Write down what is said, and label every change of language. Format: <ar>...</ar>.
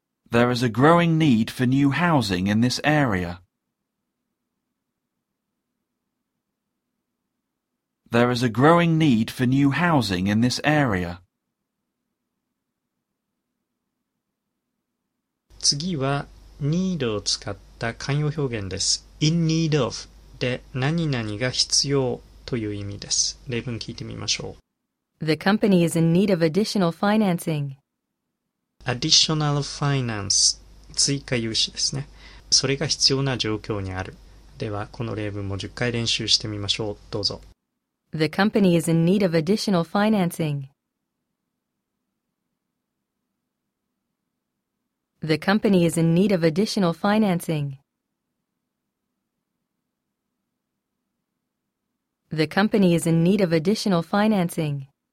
<en>There is a growing need for new housing in this area. There is a growing need for new housing in this area.</en> <ja>次は need を使った慣用表現です。</ja> <en>in need of</en> <ja>で何々が必要という意味です。例文聞いてみましょう。</ja> <en>The company is in need of additional financing. Additional finance</en> <ja>追加融資ですね。それが必要な状況にある。ではこの例文も10回練習してみましょう。どうぞ。</ja> <en>The company is in need of additional financing. The company is in need of additional financing. The company is in need of additional financing.</en>